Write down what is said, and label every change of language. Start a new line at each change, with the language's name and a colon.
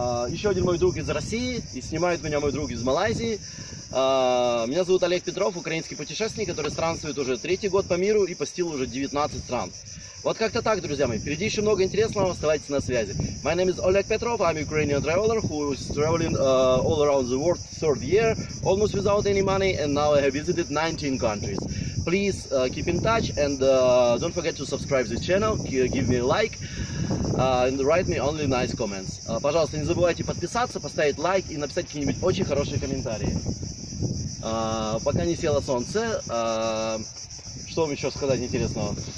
Russian: Еще один мой друг из России, и снимает меня мой друг из Малайзии. Меня зовут Олег Петров, украинский путешественник, который странствует уже третий год по миру и посетил уже 19 стран. Вот как-то так, друзья мои. Впереди еще много интересного, оставайтесь на связи.
English: My name is Oleg Petrov, I'm Ukrainian traveler, who is traveling all around the world third year, almost without any money, and now I have visited 19 countries. Please keep in touch and don't forget to subscribe to the channel, give me a like. And write me only nice comments.
Russian: Пожалуйста, не забывайте подписаться, поставить лайк и написать какие-нибудь очень хорошие комментарии. Пока не село солнце, что вам еще сказать интересного?